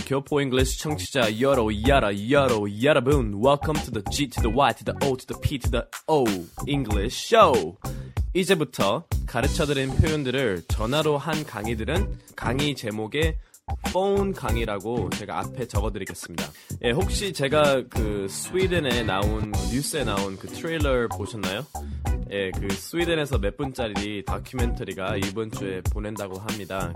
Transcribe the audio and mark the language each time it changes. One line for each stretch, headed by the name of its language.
Korean: 교포 잉글리시 청취자 여러 야라 여러 여러분.
English: Welcome to the G to the Y to the O to the P to the O English Show.
Korean: 이제부터 가르쳐드린 표현들을 전화로 한 강의들은 강의 제목에 phone 강의라고 제가 앞에 적어드리겠습니다. 예, 혹시 제가 그 스웨덴에 나온 뉴스에 나온 그 트레일러 보셨나요? 예, 그 스웨덴에서 몇 분짜리 다큐멘터리가 이번 주에 보낸다고 합니다.